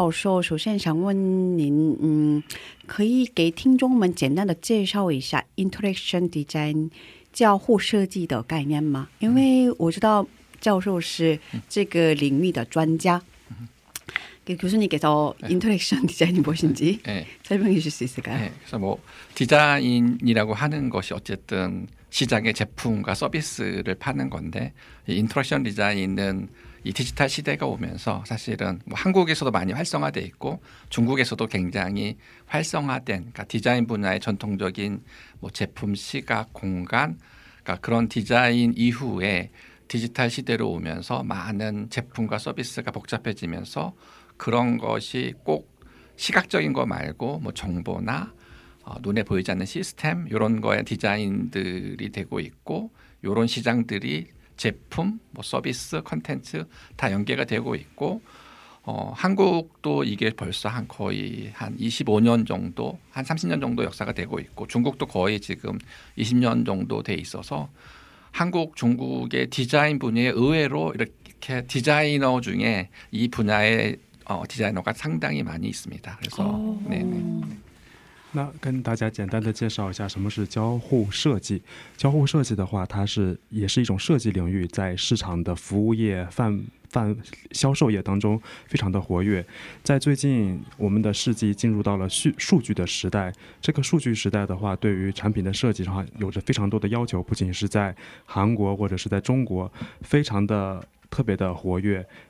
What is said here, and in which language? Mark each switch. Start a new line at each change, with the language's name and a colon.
Chinese: 然后他现在培养的很多的大学生、硕士学生将近也有100多名。对，是的，谢谢弟兄的翻译。可以补充一下吗？刚刚那个教授是说，他就是经过他指导的这个中国学生，就有一百多名。对，是的，所以想问教授，首先想问您。可以给听众们简单的介绍一下interaction design，交互设计的概念吗？因为我知道教授是这个领域的专家，给教授你给到 interaction design
Korean: 무엇인지 설명해 주실 수 있을까요? 그래서 뭐 디자인이라고 하는 것이 어쨌든 시장의 제품과 서비스를 파는 건데 interaction design은 이 디지털 시대가 오면서 사실은 뭐 한국에서도 많이 활성화돼 있고 중국에서도 굉장히 활성화된 그러니까 디자인 분야의 전통적인 뭐 제품 시각 공간 그러니까 그런 디자인 이후에 디지털 시대로 오면서 많은 제품과 서비스가 복잡해지면서 그런 것이 꼭 시각적인 거 말고 뭐 정보나 눈에 보이지 않는 시스템 이런 거에 디자인들이 되고 있고 이런 시장들이 제품, 뭐 서비스, 컨텐츠 다 연계가 되고 있고 한국도 이게 벌써 한 거의 한 25년 정도, 한 30년 정도 역사가 되고 있고 중국도 거의 지금 20년 정도 돼 있어서 한국, 중국의 디자인 분야에 의외로 이렇게 디자이너 중에 이 분야의 디자이너가 상당히 많이 있습니다. 그래서 네.
Chinese: 那跟大家简单的介绍一下什么是交互设计。交互设计的话，它是也是一种设计领域，在市场的服务业、贩销售业当中非常的活跃。在最近，我们的世纪进入到了数据的时代。这个数据时代的话，对于产品的设计上有着非常多的要求，不仅是在韩国或者是在中国，非常的特别的活跃。